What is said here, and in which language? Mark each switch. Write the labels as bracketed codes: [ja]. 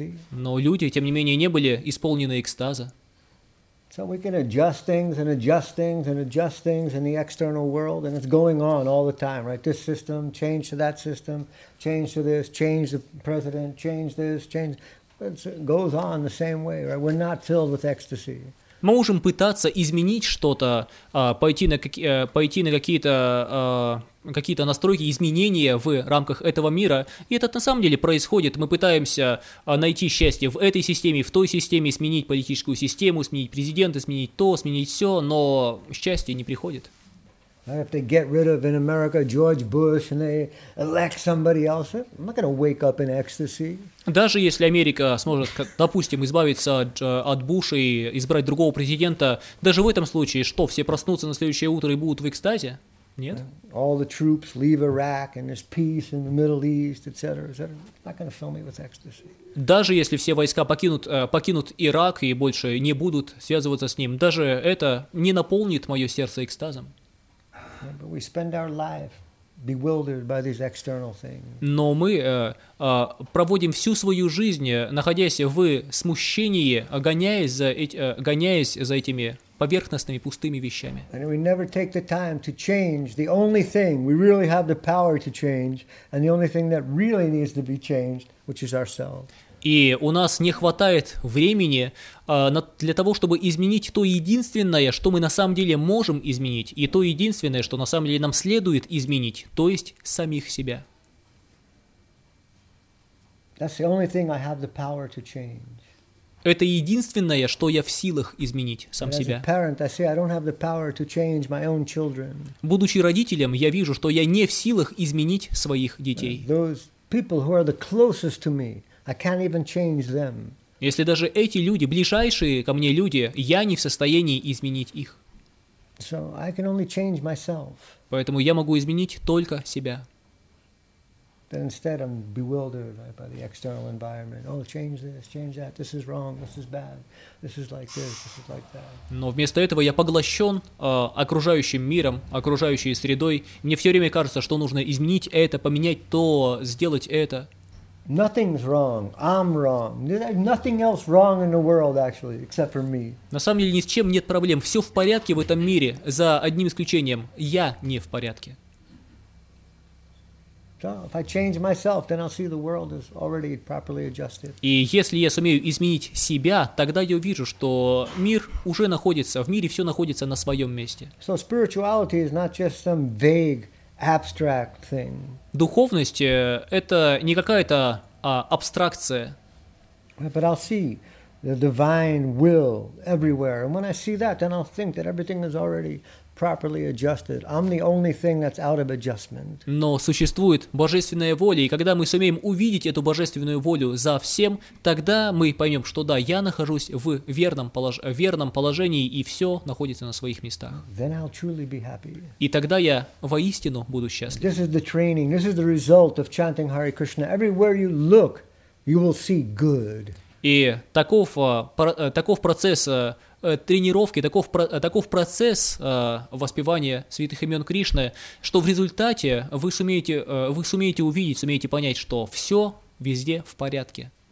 [ru] Но люди, тем не менее, не были исполнены экстаза. [en] So we can adjust things and adjust things and adjust things in the external world, and it's going on all the time, right? This system, change to that system, change to this, change the president, change this, change. It goes on the same way, right? We're not filled with ecstasy. [ru] Мы можем пытаться изменить что-то, пойти на какие-то настройки, изменения в рамках этого мира. И это на самом деле происходит. Мы пытаемся найти счастье в этой системе, в той системе, сменить политическую систему, сменить президента, сменить то, сменить все, но счастье не приходит. [en] If they get rid of in America George Bush and they elect somebody else, I'm not going to wake up in ecstasy. [ru] Даже если Америка сможет, допустим, избавиться от Буша и избрать другого президента, даже в этом случае, что все проснутся на следующее утро и будут в экстазе? Нет. [en] All the troops leave Iraq and there's peace in the Middle East, etc., etc. I'm not going to fill me with ecstasy. [ru] Даже если все войска покинут Ирак и больше не будут связываться с ним, даже это не наполнит мое сердце экстазом. [en] But we spend our life bewildered by these external things. [ru] Но мы проводим всю свою жизнь, находясь в смущении, гоняясь за этими поверхностными пустыми вещами. [en] And we never take the time to change the only thing we really have the power to change, and the only thing that really needs to be changed, which is ourselves. [ru] И у нас не хватает времени для того, чтобы изменить то единственное, что мы на самом деле можем изменить, и то единственное, что на самом деле нам следует изменить, то есть самих себя. [en] That's the only thing I have the power to change. [ru] Это единственное, что я в силах изменить сам себя. [en] As a parent, I see I don't have the power to change my own children. [ru] Будучи родителем, я вижу, что я не в силах изменить своих детей. [en] Those people who are the closest to me, I can't even change them. [ru] Если даже эти люди, ближайшие ко мне люди, я не в состоянии изменить их. [en] So I can only change myself. [ru] Поэтому я могу изменить только себя. [en] Then instead I'm bewildered by the external environment. Oh, change this, change that. This is wrong. This is bad. This is like this. This is like that. [ru] Но вместо этого я поглощен окружающим миром, окружающей средой. Мне все время кажется, что нужно изменить это, поменять то, сделать это. [en] Nothing's wrong. I'm wrong. There's nothing else wrong in the world, actually, except for me. [ru] На самом деле ни с чем нет проблем. Все в порядке в этом мире, за одним исключением. Я не в порядке. [en] So if I change myself, then I'll see the world is already properly adjusted. [ru] И если я сумею изменить себя, тогда я увижу, что мир уже находится, в мире все находится на своем месте. [en] So spirituality is not just some vague abstract thing. [ru] Духовность — это не какая-то абстракция. [en] But I'll see the divine will everywhere. And when I see that, then I'll think that everything is already properly adjusted. I'm the only thing that's out of adjustment. [ru] Но существует божественная воля, и когда мы сумеем увидеть эту божественную волю за всем, тогда мы поймем, что да, я нахожусь в верном положении, и все находится на своих местах. [en] Then I'll truly be happy. [ru] И тогда я воистину буду счастлив. [en] This is the training. This is the result of chanting Hare Krishna. Everywhere you look, you will see good. [ru] И таков процесс тренировки, таков процесс воспевания святых имен Кришны, что в результате вы сумеете увидеть, сумеете понять, что все везде в порядке.